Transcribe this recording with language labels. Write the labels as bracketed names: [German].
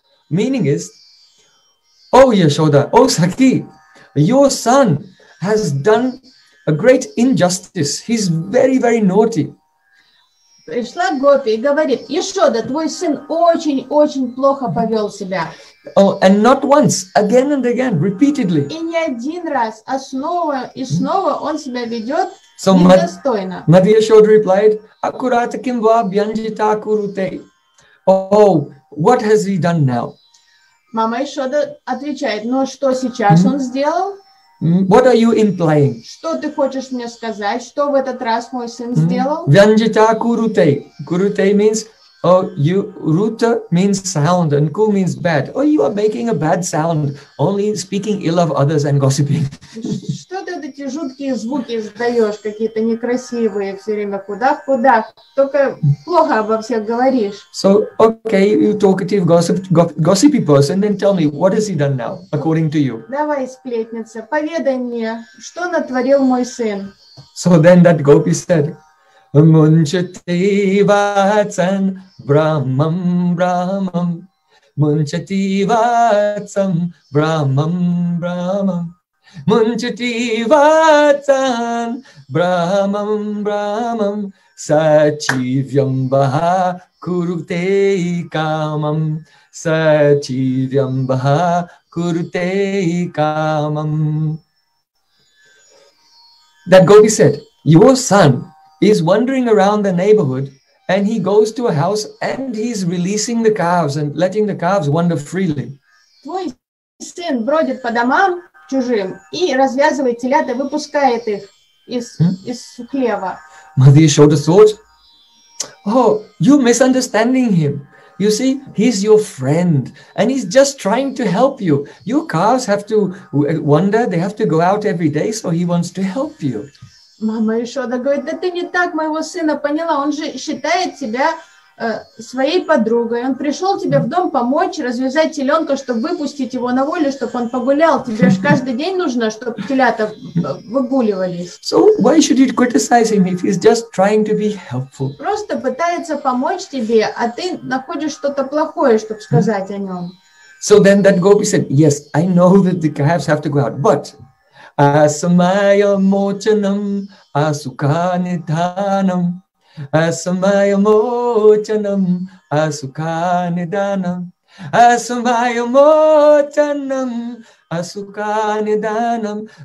[English] Meaning is, oh Yashoda, oh Sakhi, your son has done a great injustice. He's very, very naughty. [Russian] Пришла гопи и говорит, Яшода, твой сын очень-очень плохо повел себя. [English] Oh, and not once, again and again, repeatedly. [Russian] И не один раз, а снова и снова он себя ведет недостойно. [English] Mother Yashoda replied, [Sanskrit] Акурата кимва бьянджита курутэ. [English] Oh, what has he done now? [Russian] Мама Яшода отвечает, но что сейчас он сделал? [English] What are you implying? [Russian] Что ты хочешь мне сказать? Что в этот раз мой сын сделал? [Sanskrit] Вянджита курутэ. [English] Курутэ means, oh, you, Ruta means sound and Ku means bad. Oh, you are making a bad sound, only speaking ill of others and gossiping. [Russian] Что ты эти жуткие звуки издаешь, какие-то некрасивые, все время кудах-кудах, только плохо обо всех говоришь. [English] So, okay, you talkative, gossipy person, then tell me, what has he done now, according to you? [Russian] Давай, сплетница, поведай мне, что натворил мой сын? [English] So then that gopi said, [Sanskrit] Munchati vatsan brahmam brahmam, munchati vatsam brahmam brahmam, munchati vatsan brahmam brahmam, sachivyam baha kurute kamam, sachivyam baha kurute kamam. [English] That gopi said, your son is wandering around the neighborhood and he goes to a house and he's releasing the calves and letting the calves wander freely. [Russian] твой сын бродит по домам чужим и развязывает телят и выпускает их из хлева. [English] Mother Yashoda thought, oh, you're misunderstanding him. You see, he's your friend, and he's just trying to help you. Your calves have to wander, they have to go out every day, so he wants to help you. [Russian] Мама Ишода говорит, да ты не так моего сына поняла, он же считает тебя своей подругой. Он пришел тебе в дом помочь развязать теленка, чтобы выпустить его на волю, чтобы он погулял. Тебе же каждый день нужно, чтобы телята выгуливались. [English] So why should you criticize him if he's just trying to be helpful? [Russian] Просто пытается помочь тебе, а ты находишь что-то плохое, чтобы сказать о нем. [English] So then that gopi said, yes, I know that the calves have to go out, but [Sanskrit] asamaya mochanam asukanidhanam. Asamaya mochanam asukanidhanam. Asamaya mochanam asukanidhanam.